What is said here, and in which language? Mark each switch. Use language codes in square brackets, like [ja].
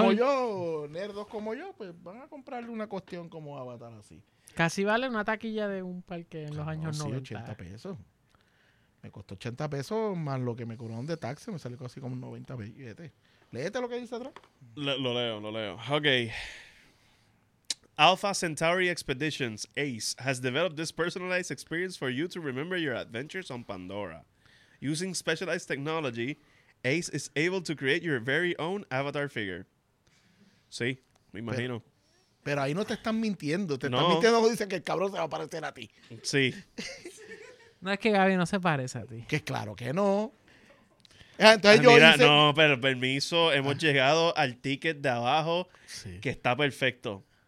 [es] Como yo, nerdos como yo, pues van a comprarle una cuestión como Avatar así. Casi vale una taquilla de un parque en los años 90. Sí, 80 pesos. Me costó 80 pesos más lo que me cobraron de taxi. Me salió casi como 90 billetes. Léete lo que dice atrás. Lo leo. Ok. [en] Alpha Centauri Expeditions Ace has developed this personalized experience for you to remember your adventures on Pandora. Using specialized technology, Ace is able to create your very own avatar figure. [es] Sí, me imagino. Pero ahí no te están mintiendo. Te están mintiendo cuando dicen que el cabrón se va a parecer a ti. Sí. No es que Gaby no se parece a ti. Que claro que no. Entonces yo mira, hice... No, pero permiso, hemos llegado al ticket de abajo que está perfecto.